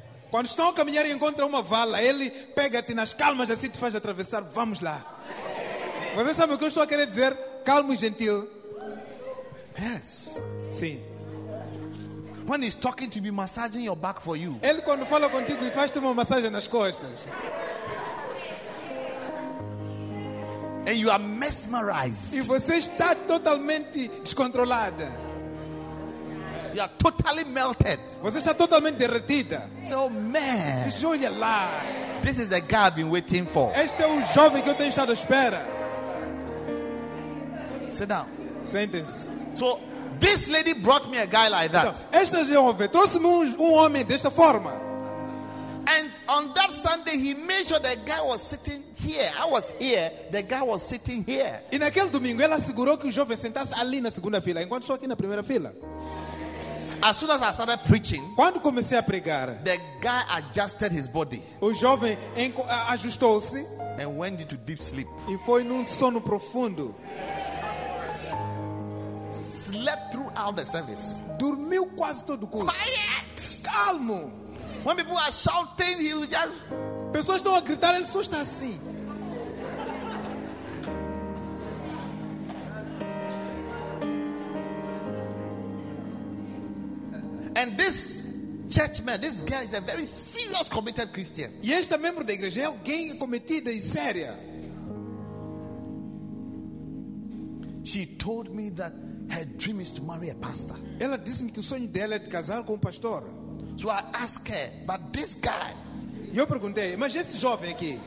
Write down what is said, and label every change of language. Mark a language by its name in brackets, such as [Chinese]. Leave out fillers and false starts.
[Portuguese] Quando estão a caminhar e encontram uma vala, ele pega-te nas calmas, assim te faz atravessar. Vamos lá. Você sabe o que eu estou a querer dizer? Calmo e gentil. [English] Yes. [Portuguese] Sim. [English] When he's talking to me, massaging your back for you. [Portuguese] Ele quando fala contigo e faz-te uma massagem nas costas. [English] And you are mesmerized. [Portuguese] E você está totalmente descontrolada. [English] You are totally melted. [Portuguese] Você está totalmente derretida. [English] So, man. [Portuguese] Júlia lá. [English] This is the guy I've been waiting for. [Portuguese] Este é o jovem que eu tenho estado à espera. [English] Sit down. Sentence. So, this lady brought me a guy like that. [Portuguese] Então, esta jovem trouxe-me um homem desta forma. [English] And on that Sunday, he made sure the guy was sitting here. I was here. The guy was sitting here. [Portuguese] E naquele domingo, ela assegurou que o jovem sentasse ali na segunda fila, enquanto estou aqui na primeira fila. [English] As soon as I started preaching, [Portuguese] quando comecei a pregar, [English] the guy adjusted his body. [Portuguese] O jovem ajustou-se [English] and went into deep sleep. [Portuguese] E foi num sono profundo. [English] Slept throughout the service. [Portuguese] Dormiu quase todo o culto. [English] Quiet. [Portuguese] Calmo. [English] When people are shouting, he will just. [Portuguese] Pessoas estão a gritar, ele só está assim. [English] And this church man, this guy is a very serious, committed Christian. [Portuguese] E este membro da igreja é alguém cometido e séria. [English] She told me that her dream is to marry a pastor. [Portuguese] Ela disse-me que o sonho dela é de casar com um pastor. [English] So I asked her, but this guy. [Portuguese] Eu perguntei, mas este jovem aqui.